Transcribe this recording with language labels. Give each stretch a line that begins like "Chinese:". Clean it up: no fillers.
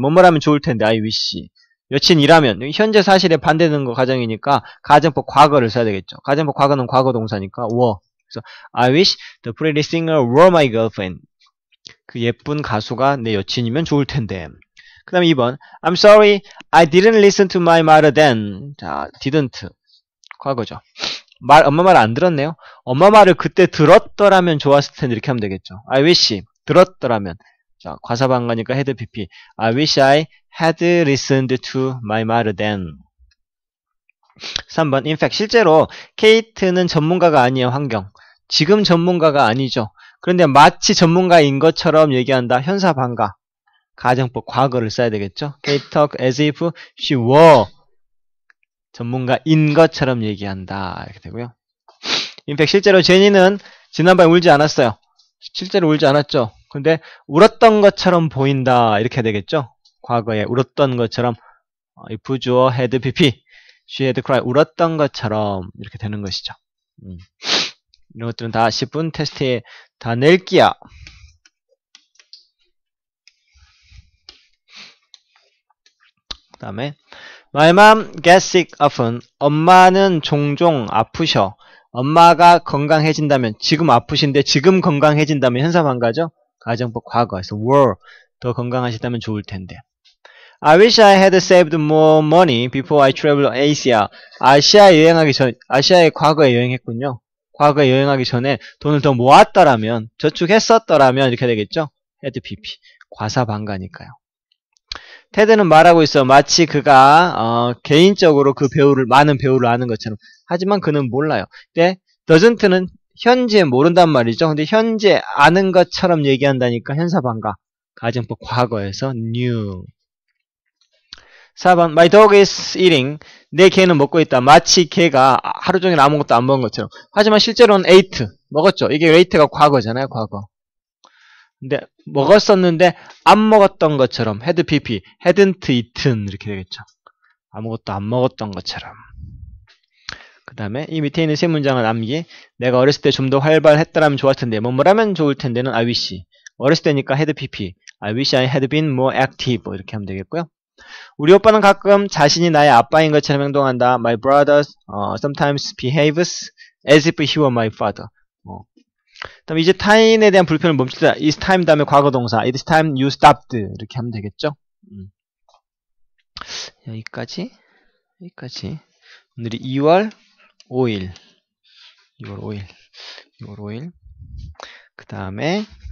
Korean: 뭐뭐라면 좋을 텐데
English: I wish.
Korean: 여친이라면 현재 사실에 반대되는 거 가정이니까 가정법 과거를 써야 되겠죠. 가정법 과거는 과거 동사니까 were. 그래서
English: I wish the pretty singer were my girlfriend.
Korean: 그 예쁜 가수가 내 여친이면 좋을 텐데. 그 다음 2번
English: I'm sorry I didn't listen to my mother then.
Korean: 자, didn't 과거죠. 엄마 말 안 들었네요. 엄마 말을 그때 들었더라면 좋았을 텐데 이렇게 하면 되겠죠.
English: I wish
Korean: 들었더라면. 자, 과사반가니까 had PP.
English: I wish I had listened to my mother then.
Korean: 3번
English: In fact
Korean: 실제로 케이트는 전문가가 아니에요. 환경 지금 전문가가 아니죠. 그런데 마치 전문가인 것처럼 얘기한다. 현사반가. 가정법 과거를 써야 되겠죠.
English: Kate talk as if she were
Korean: 전문가인 것처럼 얘기한다. 이렇게 되고요.
English: In fact
Korean: 실제로 제니는 지난번에 울지 않았어요. 실제로 울지 않았죠. 근데 울었던 것처럼 보인다 이렇게 되겠죠? 과거에 울었던 것처럼 if 부조어 had pp,
English: she had cried
Korean: 울었던 것처럼 이렇게 되는 것이죠. 이런 것들은 다 10분 테스트에 다 낼 끼야. 그 다음에
English: My mom gets sick often.
Korean: 엄마는 종종 아프셔. 엄마가 건강해진다면 지금 아프신데 지금 건강해진다면 현사만가죠? 가정법 과거에서 were 더 건강하시다면 좋을 텐데.
English: I wish I had saved more money before I traveled Asia.
Korean: 아시아 여행하기 전, 아시아의 과거에 여행했군요. 과거에 여행하기 전에 돈을 더 모았더라면, 저축했었더라면 이렇게 되겠죠? had pp 과사방가니까요. 테드는 말하고 있어. 마치 그가 개인적으로 그 배우를 많은 배우를 아는 것처럼. 하지만 그는 몰라요. 근데 doesn't는 현재 모른단 말이죠. 근데 현재 아는 것처럼 얘기한다니까 현사방가. 가정법 과거에서 new. 4번. My dog is eating. 내 개는 먹고 있다. 마치 개가 하루 종일 아무것도 안 먹은 것처럼. 하지만 실제로는 ate. 먹었죠. 이게 ate가 과거잖아요. 과거. 근데 먹었었는데 안 먹었던 것처럼 had pp,
English: hadn't eaten
Korean: 이렇게 되겠죠. 아무것도 안 먹었던 것처럼. 그 다음에 이 밑에 있는 세 문장을 암기. 내가 어렸을 때좀더 활발했더라면 좋았을 텐데. 뭐라면 좋을 텐데는
English: I wish.
Korean: 어렸을 때니까 had pp.
English: I wish I had been more active.
Korean: 이렇게 하면 되겠고요. 우리 오빠는 가끔 자신이 나의 아빠인 것처럼 행동한다.
English: My brother sometimes behaves as if he were my father.
Korean: 그 다음 이제 타인에 대한 불편을 멈추다.
English: It's time
Korean: 다음에 과거 동사.
English: It's time you stopped.
Korean: 이렇게 하면 되겠죠. 여기까지. 여기까지. 오늘이 2월 5일. 2월 5일. 2월 5일. 그 다음에.